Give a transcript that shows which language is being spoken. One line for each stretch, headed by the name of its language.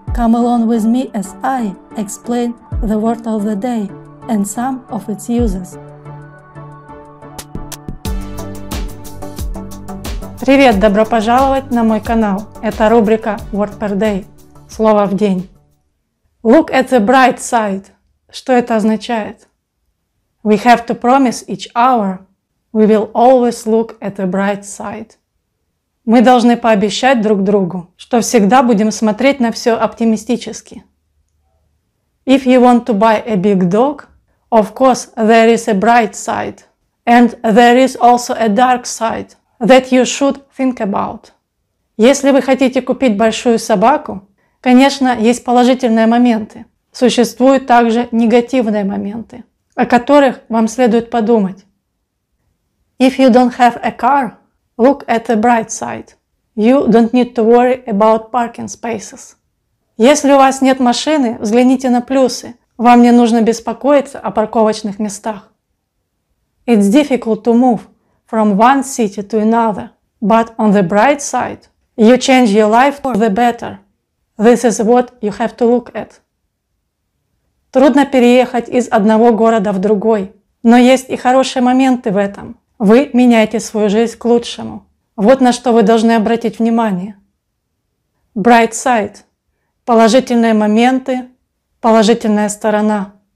English: Come along with me as I explain the word of the day and some of its uses.
Russian: Привет, добро пожаловать на мой канал. Это рубрика Word per Day. Слово в день.
English: Look at the bright side.
Russian: Что это означает?
English: We have to promise each hour. We will always look at the bright side.
Russian: Мы должны пообещать друг другу, что всегда будем смотреть на все оптимистически.
English: If you want to buy a big dog, of course there is a bright side. And there is also a dark side that you should think about.
Russian: Если вы хотите купить большую собаку, конечно, есть положительные моменты. Существуют также негативные моменты, о которых вам следует подумать.
English: If you don't have a car, look at the bright side. You don't need to worry about parking spaces.
Russian: Если у вас нет машины, взгляните на плюсы. Вам не нужно беспокоиться о парковочных местах.
English: It's difficult to move from one city to another. But on the bright side, you change your life for the better. This is what you have to look at.
Russian: Трудно переехать из одного города в другой. Но есть и хорошие моменты в этом. Вы меняете свою жизнь к лучшему. Вот на что вы должны обратить внимание.
English: Bright side.
Russian: Положительные моменты, положительная сторона.